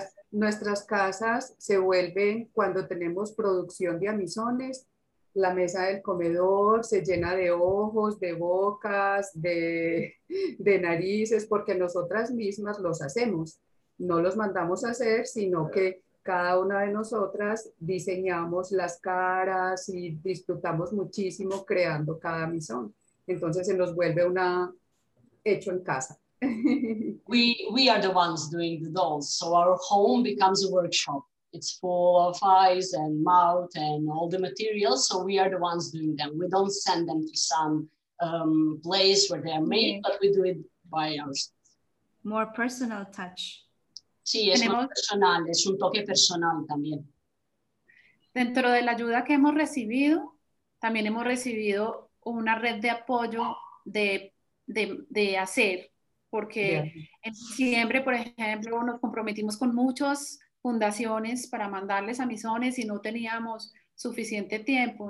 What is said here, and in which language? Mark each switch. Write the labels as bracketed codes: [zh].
[es] Nuestras casas se vuelven, cuando tenemos producción de amizones, la mesa del comedor se llena de ojos, de bocas, de narices, porque nosotras mismas los hacemos. No los mandamos a hacer, sino que cada una de nosotras diseñamos las caras y disfrutamos muchísimo creando cada amizón. Entonces se nos vuelve una hecho en casa. [en] We are the ones doing the dolls, so our home becomes a workshop. It's full of eyes and mouth and all the materials, so we are the ones doing them. We don't send them to some place where they are made, but we do it by ourselves. More personal touch. [es] Sí, es más personal, es un toque personal también. Dentro de la ayuda que hemos recibido, también hemos recibido una red de apoyo de hacer. Porque en diciembre, por ejemplo, nos comprometimos con muchas fundaciones para mandarles amizones y no teníamos suficiente tiempo.